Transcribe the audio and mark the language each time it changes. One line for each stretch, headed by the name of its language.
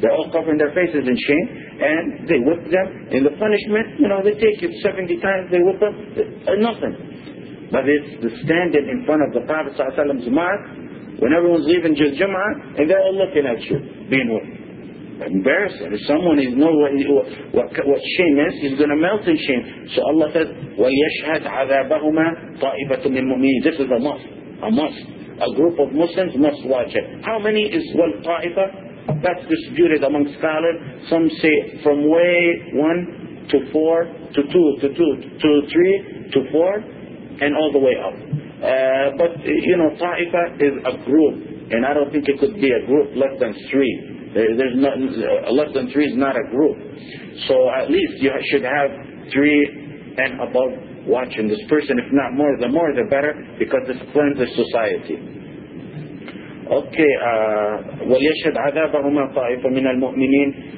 English: They're all covering their faces in shame, and they whip them. And the punishment, they take it 70 times, they whip them, nothing. But it's the standard in front of the Prophet Sallallahu Alaihi Wasallam's mark when everyone's leaving just Jum'ah and they're all looking at you, being with you. Embarrassing. If someone knows what shame is, he's going to melt in shame.
Arabic: So Allah says, وَيَشْهَدْ عَذَابَهُمَا طَائِبَةٌ مِّن مُؤْمِنِينَ.
English: This is a must. A must. A group of Muslims must watch it. How many is one ta'ifa? That's disputed among scholars. Some say from way 1 to 4 to 2 to 2 to 3 to 4 and all the way up. But you know, ta'ifa is a group, and I don't think it could be a group less than 3. There's nothing, less than 3 is not a group. So at least you should have 3 and above watching this person. If not more, the more the better, because this cleanses society.
Arabic: Okay, وَلْيَشْهَدْ عَذَابَهُمَا طَائِفَةٌ مِنَ الْمُؤْمِنِينَ.